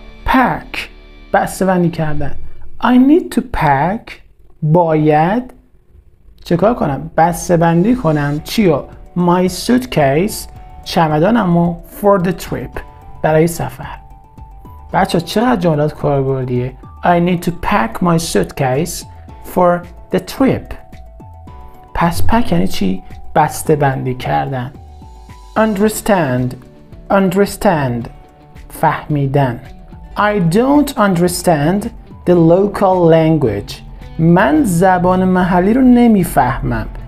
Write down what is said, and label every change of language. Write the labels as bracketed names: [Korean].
[English] pack [Persian] بسته‌بندی کردن. [English] I need to pack [Persian] باید چکار کنم؟ بسته‌بندی کنم چیو؟ [English] My suitcase [Persian] چمدانمو [English] for the trip [Persian] برای سفر. بچه چقدر جملات کاربردیه. [English] I need to pack my suitcase for the trip. [Persian] پس پک یعنی چی؟ بسته بندی کردن. [English] Understand [Persian] فهمیدن. [English] I don't understand the local language [Persian] من زبان محلی رو نمیفهمم.